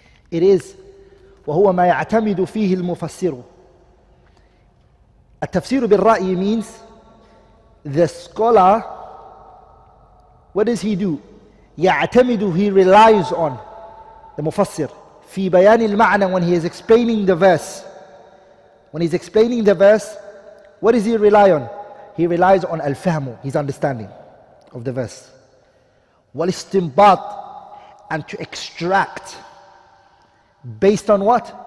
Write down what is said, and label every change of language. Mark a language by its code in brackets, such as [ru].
[en] It is. [ar] وهو ما يعتمد فيه المفسر. [en] التفسير بالرأي means the scholar. What does he do? [ar] يعتمد, [en] he relies on the [ar] مفسر في بيان المعنى. [en] When he is explaining the verse, when he is explaining the verse, what does he rely on? He relies on الفهم, his understanding of the verse. والاستنباط, and to extract based on what?